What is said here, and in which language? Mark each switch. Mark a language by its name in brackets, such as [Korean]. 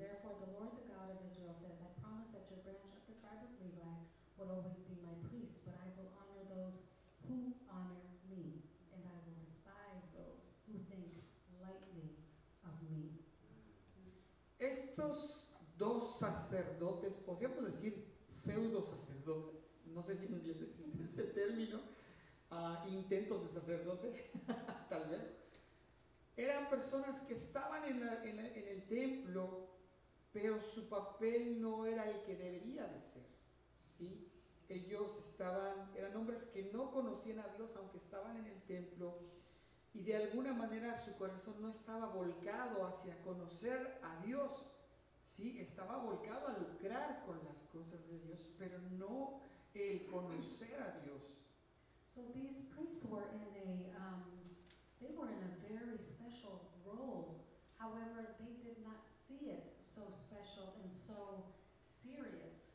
[English] Therefore, the Lord, the God of Israel, says, I promise that your branch of the tribe of Levi will always be my priest, but I will honor those who honor me. And I will despise those who think lightly of me. [Spanish] Estos dos sacerdotes, podríamos decir pseudo sacerdotes, no sé si en inglés existe ese término, intentos de sacerdote, tal vez, eran personas que estaban en el templo, pero su papel no era el que debería de ser, ¿sí? Ellos estaban, eran hombres que no conocían a Dios, aunque estaban en el templo, y de alguna manera su corazón no estaba volcado hacia conocer a Dios, ¿sí? Estaba volcado a lucrar con las cosas de Dios, pero no el conocer a Dios. [English] So these priests were in a, they were in a very special role. However, they did not see it so special and so serious.